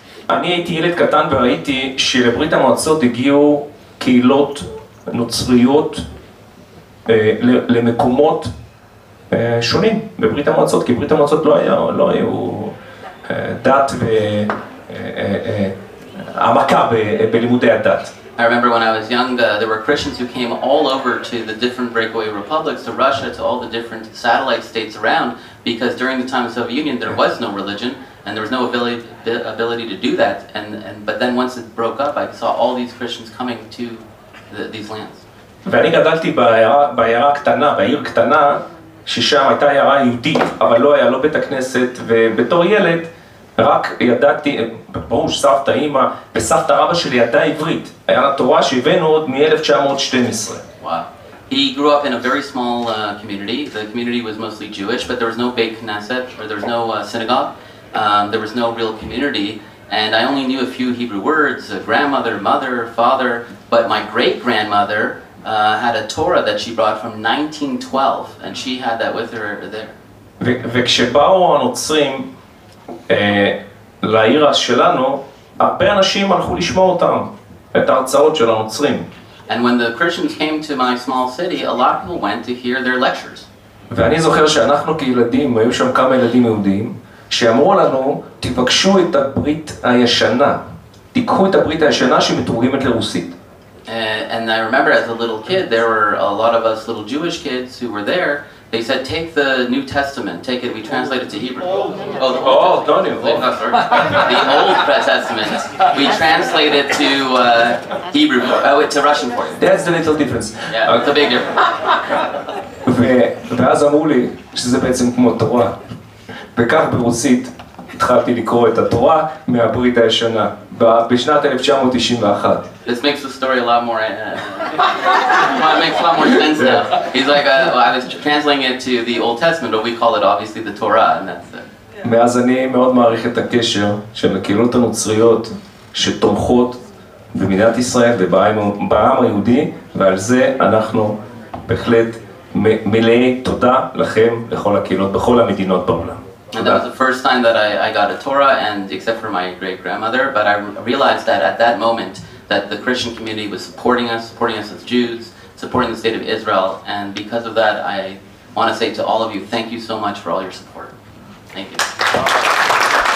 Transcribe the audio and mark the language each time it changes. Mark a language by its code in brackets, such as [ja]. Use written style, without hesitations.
[he] אני הייתי ילד קטן וראיתי שלברית המועצות הגיעו קהילות נוצריות למקומות שונים בברית המועצות, כי ברית המועצות לא היו דת ועמקה בלימודי הדת. [en] I remember when I was young, there were Christians who came all over to the different breakaway republics, to Russia, to all the different satellite states around, because during the time of the Soviet Union, there was no religion, and there was no ability to do that. But then once it broke up, I saw all these Christians coming to these lands. [he] ואני גדלתי בעירה קטנה, בעיר קטנה, ששם הייתה עירה יהודית, אבל לא היה לא בית הכנסת, ובתור ילד רק ידעתי, ברור שסבתא אימא, וסבתא רבא שלי ידעה עברית. היה לה תורה שהבאנו עוד מ-1912. [en] Wow. He grew up in a very small community. The community was mostly Jewish, but there was no Beit Knesset, or there was no synagogue. There was no real community. And I only knew a few Hebrew words, grandmother, mother, father. But my great-grandmother had a Torah that she brought from 1912, and she had that with her over there. [he] וכשבאו הנוצרים לעיר שלנו, הרבה אנשים הלכו לשמוע אותם, את ההרצאות של הנוצרים. [en] And when the Christians came to my small city, a lot of people went to hear their lectures. [he] ואני זוכר שאנחנו כילדים, היו שם כמה ילדים יהודים, שאמרו לנו, תבקשו את הברית הישנה, תיקחו את הברית הישנה שמתורגמת לרוסית. [en] And I remember as a little kid, there were a lot of us little Jewish kids who were there. They said, take the New Testament, take it, we translate it to Hebrew. The Old Testament. We translate it to Hebrew, to Russian for you. That's the little difference. Yeah, it's a big difference. [he] ואז אמרו לי שזה בעצם כמו תורה. וכך ברוסית התחלתי לקרוא את התורה מהברית הישנה. בשנת 1991. [en] This makes the story a lot more makes a lot more sense now. He's like, I was translating it to the Old Testament, but we call it obviously the Torah, and that's it. [he] מאז אני מאוד מעריך את הקשר של הקהילות הנוצריות שתומכות במדינת ישראל ובעם היהודי, ועל זה אנחנו בהחלט מלאי תודה לכם, לכל הקהילות, בכל המדינות בעולם. [en] And that was the first time that I got a Torah, and except for my great-grandmother, but I realized that at that moment that the Christian community was supporting us as Jews, supporting the State of Israel, and because of that, I want to say to all of you, thank you so much for all your support. Thank you.